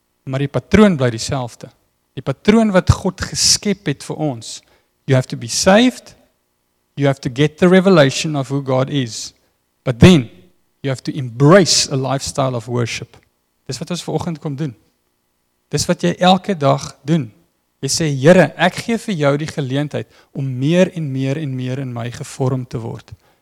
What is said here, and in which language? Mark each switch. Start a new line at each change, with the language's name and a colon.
Afrikaans: Maar die patroon bly dieselfde. Die patroon wat God geskep het vir ons.
English: You have to be saved. You have to get the revelation of who God is. But then, you have to embrace a lifestyle of worship.
Afrikaans: Dis wat ons vanoggend kom doen. Dis wat jy elke dag doen. Jy sê, Here, ek gee vir jou die geleentheid om meer en meer en meer in my gevorm te word.